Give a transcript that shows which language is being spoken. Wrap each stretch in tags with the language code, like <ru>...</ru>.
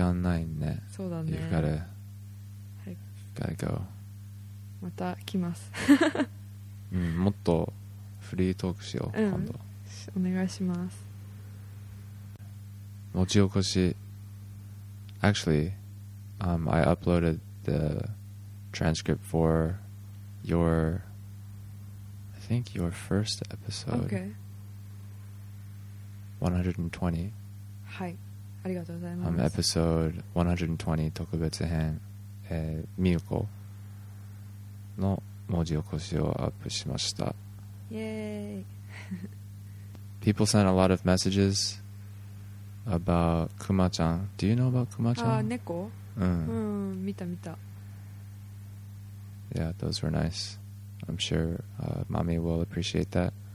<ja>もう時間ないね。そうだね。</ja> <en>You gotta, go.</en> <ja>また来ます。もっとフリートークしよう今度。お願いします。持ち起こし。</ja> <en>Actually, I uploaded the transcript for your, I think your first episode. Okay. 120. Hi.</en> <ja>ありがとうございます. Episode 120 特別編 Miyuko の 文字起こしを アップしました. Yay.</ja> <en>People sent a lot of messages about Kuma-chan. Do you know about Kuma-chan?</en> <ja>Ah, neko? Mita.</ja> <en>Yeah, those were nice. I'm sure mommy will appreciate that.</en>